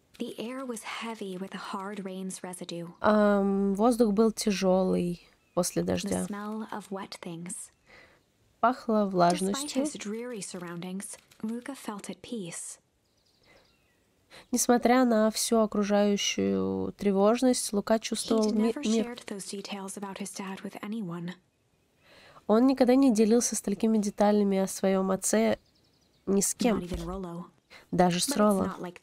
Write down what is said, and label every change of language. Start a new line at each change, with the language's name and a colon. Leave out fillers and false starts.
English: The air was heavy with a hard rain's residue.
Russian: Воздух был тяжелый после дождя.
English: The smell of wet things.
Russian: Пахло влажностью.
English: Despite his dreary surroundings, Luca felt at peace.
Russian: Несмотря на всю окружающую тревожность, Лука чувствовал мир. Он никогда не делился с такими деталями о своем отце ни с кем. Даже с Роло.